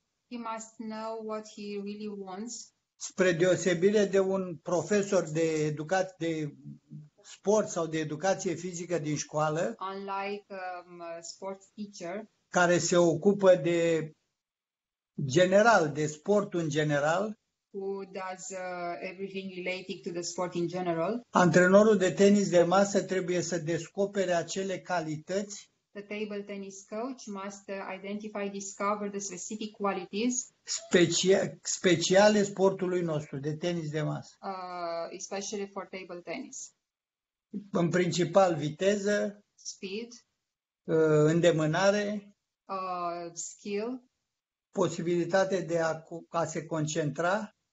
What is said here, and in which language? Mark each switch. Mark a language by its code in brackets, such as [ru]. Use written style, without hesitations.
[en] He must know what he really wants. [ro] Spre deosebire de un profesor de sport sau de educație fizică din școală, [en] unlike sports teacher, [ro] care se ocupă de general, de sport în general, [en] who does everything related to the sport in general, [ro] antrenorul de tenis de masă trebuie să descopere acele calități. [en] The table tennis coach must identify, discover the specific qualities [ro] speciale sportului nostru de tenis de masă, [en] especially for table tennis. [ro] În principal viteză, [en] speed, [ro] îndemânare, [en] skill, [ro] posibilitate de a se concentra,